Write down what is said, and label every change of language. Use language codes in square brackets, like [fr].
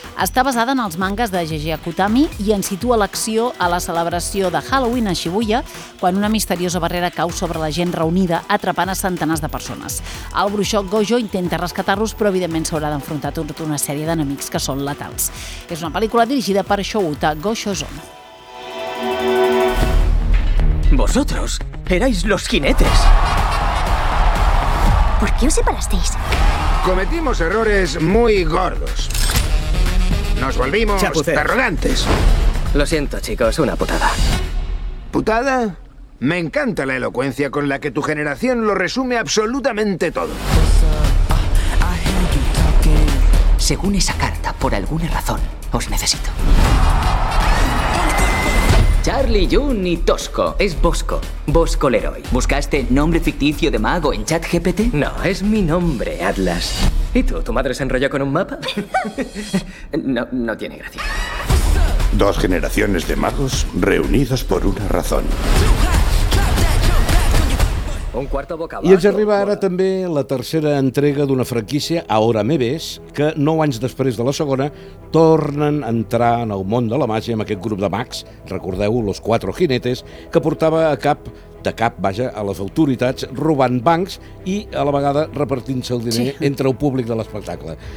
[ca] Està basada en els mangas de Jeji Akutami i en situa l'acció a la celebració de Halloween a Shibuya, quan una misteriosa barrera cau sobre la gent reunida, atrapant a centenars de persones. El bruixot Gojo intenta rescatar-los, però evidentment s'haurà d'enfrontar tot una sèrie d'enemics que són letals. És una pel·lícula dirigida per Shouta Goshozon. [es] Vosotros erais los jinetes. ¿Por qué os separasteis? Cometimos errores muy gordos. Nos volvimos arrogantes. Lo siento, chicos, una putada. ¿Putada? Me encanta la elocuencia con la que tu generación lo resume absolutamente todo. Según esa carta, por alguna razón, os necesito. Charlie, Jun y Tosco. Es Bosco. Bosco Leroy. ¿Buscaste nombre ficticio de mago en ChatGPT? No, es mi nombre, Atlas. ¿Y tú? ¿Tu madre se enrolló con un mapa? No, no tiene gracia. Dos generaciones de magos reunidos por una razón. Un quarto boca abajo. [ca] I ens arriba ara també la tercera entrega d'una franquícia, Ahora me ves, que 9 anys després de la segona tornen a entrar en el món de la màgia amb aquest grup de mags, recordeu, [es] los cuatro jinetes, [ca] que portava a cap de cap, vaja, a les autoritats, robant bancs i a la vegada repartint-se el diner entre el públic de l'espectacle.